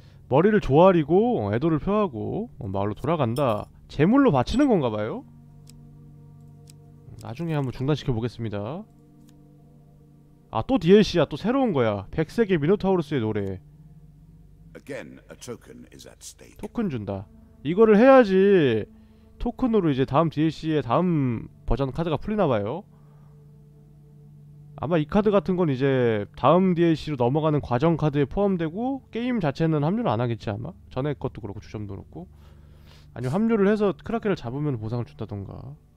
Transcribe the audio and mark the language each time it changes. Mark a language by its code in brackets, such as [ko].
[ko] 머리를 조아리고 애도를 표하고 마을로 돌아간다. 제물로 바치는 건가 봐요. 나중에 한번 중단시켜 보겠습니다. 아 또 DLC야. 또 새로운 거야. 백색의 미노타우루스의 노래. [en] Again, a token is at stake. [ko] 토큰 준다. 이거를 해야지 토큰으로 이제 다음 DLC의 다음 버전 카드가 풀리나 봐요. 아마 이 카드 같은 건 이제 다음 DLC로 넘어가는 과정 카드에 포함되고 게임 자체는 합류를 안 하겠지 아마? 전에 것도 그렇고 주점도 그렇고. 아니면 합류를 해서 크라켄을 잡으면 보상을 준다던가.